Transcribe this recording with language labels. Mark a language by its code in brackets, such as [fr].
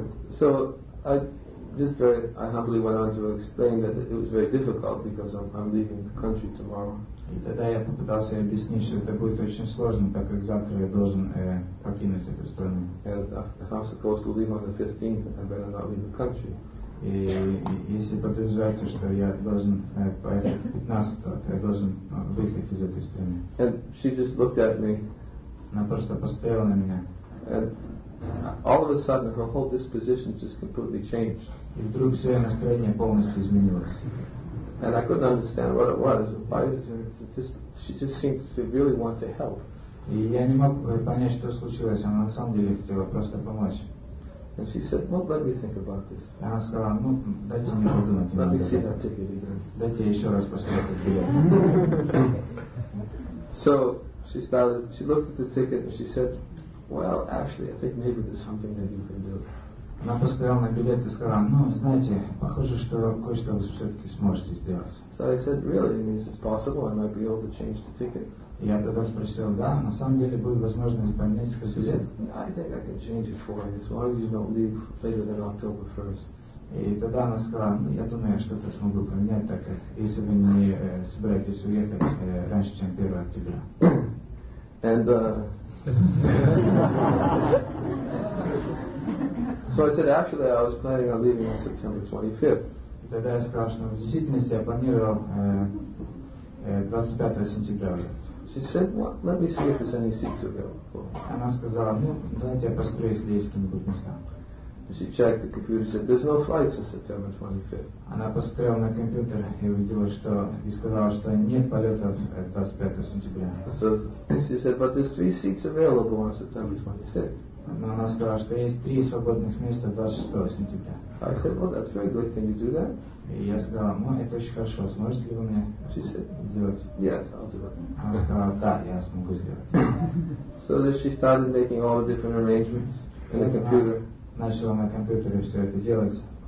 [en] So I humbly went on to explain that it was very difficult because I'm leaving the country tomorrow. [ru] И тогда я попытался объяснить, что это будет очень сложно, так как завтра я должен покинуть эту страну. [en] And if I'm supposed to leave on the 15th, I better not leave the country. [ru] И если подразумевается, что я должен поехать 15-го, то я должен выехать из этой страны. [en] And she just looked at me. [ru] Она просто посмотрела на меня. [en] And all of a sudden, her whole disposition just completely changed. [ru] И вдруг все ее настроение полностью изменилось. [en] And I couldn't understand what it was. Why did she just seemed to really want to help? [ru] И я не мог понять, что случилось. Она на самом деле хотела просто помочь. [en] And she said, "Well, let me think about this." [ru] И она сказала, ну, дайте мне подумать. [en] Let me see that ticket again. [ru] Дайте еще раз посмотреть этот билет. [en] So she started. She looked at the ticket and she said, "Well, actually, I think maybe there's something that you can do." [ru] Она посмотрела на билет и сказала: «Ну, знаете, похоже, что кое-что вы все-таки сможете сделать». [en] So I said, really, I mean, is this possible? I might be able to change the ticket. [ru] И я тогда спросил: «Да, на самом деле будет возможность поменять свой билет?» [en] Said, I think I can change it for you, as long as you don't leave later than October 1st. [ru] И тогда она сказала: «Ну, я думаю, я что-то смогу поменять, так как если вы не собираетесь уехать раньше, чем 1 октября». [en] And, So I said, actually, I was planning on leaving on September 25th. [ru] Тогда я сказал, что в действительности я планировал 25 сентября уже. [en] She said, well, let me see if there's any seats available. [ru] Она сказала: «Ну, давайте я построю, если есть какие-нибудь места». [en] She checked the computer and said, there's no flights on September 25th. [ru] Она посмотрела на компьютер и увидела, что, и сказала, что нет полетов 25 сентября. [en] So she said, but there's 3 seats available on September 26th. [ru] Но она сказала, что есть 3 свободных места 26 сентября. [en] I said, well, that's very good, can you do that? [ru] И я сказала: «Ну, это очень хорошо, сможете ли вы мне сделать?» [en] Yes, I'll do it. [ru] Она сказала: «Да, я смогу сделать». [en] So then she started making all the different arrangements in the computer. [ru] Начала на компьютере все это делать.